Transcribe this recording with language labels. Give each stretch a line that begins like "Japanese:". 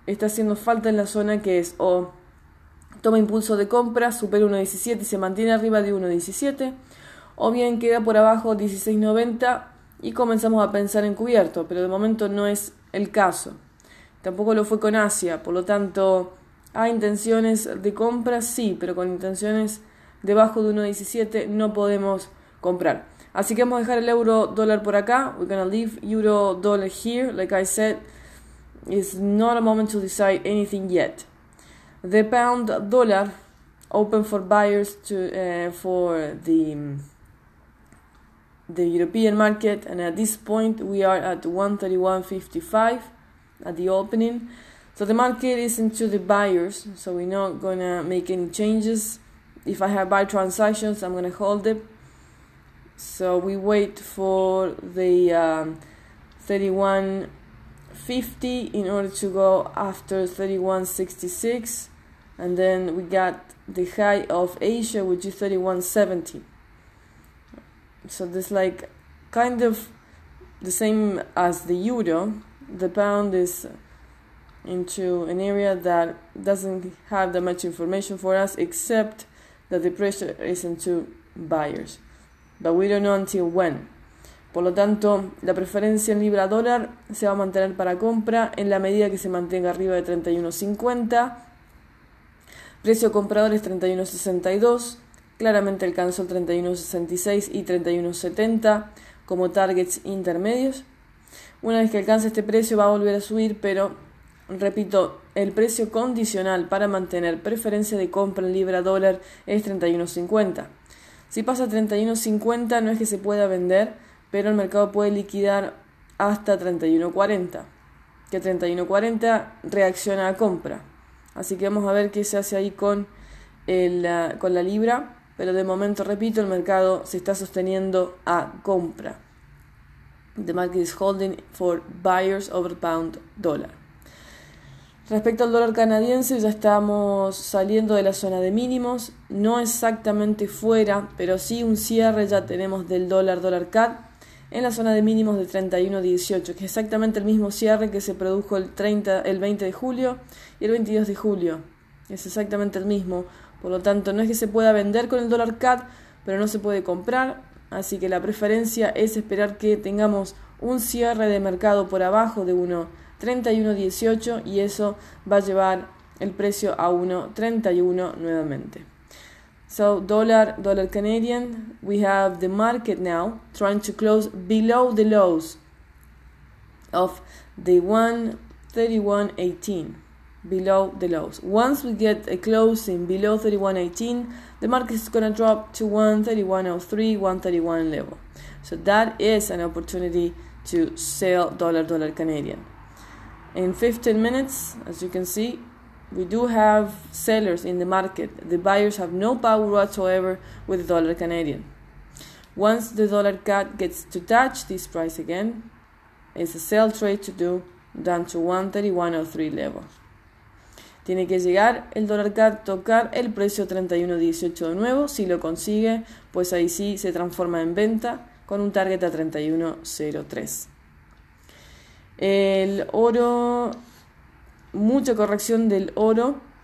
Spanish: está haciendo falta en la zona que es o toma impulso de compra, supera 1.17 y se mantiene arriba de 1.17, o bien queda por abajo 16.90 y comenzamos a pensar en cubierto, pero de momento no es el caso. Tampoco lo fue con Asia, por lo tanto, ¿hay intenciones de compra? Sí, pero con intenciones debajo de 1.17 no podemos comprar. Así que vamos a dejar el euro dólar por acá.
English: We're gonna leave euro dollar here. Like I said, it's not a moment to decide anything yet. The pound dollar open for buyers for the European market. And at this point, we are at 131.55 at the opening. So the market is into the buyers. So we're not gonna make any changes. If I have buy transactions, I'm gonna hold it. So we wait for the 31.50 in order to go after 31.66. And then we got the high of Asia, which is 31.70. So this like kind of the same as the euro. The pound is into an area that doesn't have that much information for us, except that the pressure is into buyers. But we don't know until when.
Spanish: Por lo tanto, la preferencia en libra dólar se va a mantener para compra en la medida que se mantenga arriba de 31.50. Precio comprador es 31.62. Claramente alcanzó el 31.66 y 31.70 como targets intermedios. Una vez que alcance este precio va a volver a subir, pero repito, el precio condicional para mantener preferencia de compra en libra dólar es 31.50. Si pasa 31.50, no es que se pueda vender, pero el mercado puede liquidar hasta 31.40, que 31.40 reacciona a compra. Así que vamos a ver qué se hace ahí con la libra, pero de momento, repito, el mercado se está sosteniendo a compra.
English: The market is holding for buyers over pound dólar.
Spanish: Respecto al dólar canadiense, ya estamos saliendo de la zona de mínimos, no exactamente fuera, pero sí un cierre ya tenemos del dólar CAD en la zona de mínimos de 31.18, que es exactamente el mismo cierre que se produjo el 20 de julio y el 22 de julio. Es exactamente el mismo. Por lo tanto, no es que se pueda vender con el dólar CAD, pero no se puede comprar. Así que la preferencia es esperar que tengamos un cierre de mercado por abajo de 1.31.18 y eso va a llevar el precio a 1.31 nuevamente.
English: So, dólar Canadian, we have the market now trying to close below the lows of the 1.31.18. Below the lows. Once we get a closing below 31.18, the market is going to drop to 131.03, 131 level. So that is an opportunity to sell dollar Canadian. In 15 minutes, as you can see, we do have sellers in the market. The buyers have no power whatsoever with the dollar Canadian. Once the dollar CAD gets to touch this price again, it's a sell trade to do down to 131.03 level.
Spanish: Tiene que llegar el dólar CAD, tocar el precio 31.18 de nuevo. Si lo consigue, pues ahí sí se transforma en venta con un target a 31.03. El oro, mucha corrección del oro.